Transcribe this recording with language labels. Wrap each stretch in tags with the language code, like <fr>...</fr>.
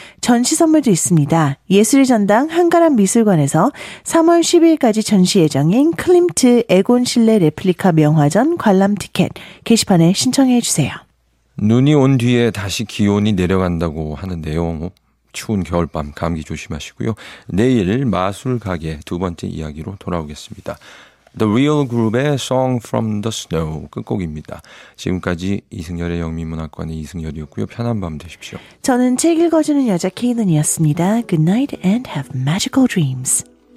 <ko>전시 선물도 있습니다. 예술의 전당 한가람 미술관에서 3월 10일까지 전시 예정인 클림트 에곤 실내 레플리카 명화전 관람 티켓 게시판에 신청해 주세요. 눈이 온 뒤에 다시 기온이 내려간다고 하는데요. 추운 겨울밤 감기 조심하시고요. 내일 마술 가게 두 번째 이야기로 돌아오겠습니다. The Real Group의 Song from the Snow 끝곡입니다. 지금까지 이승열의 영미문학관의 이승열이었고요. 편한 밤 되십시오. 저는 책 읽어주는 여자 케이든이었습니다.</ko> <en>Good night and have magical dreams.</en>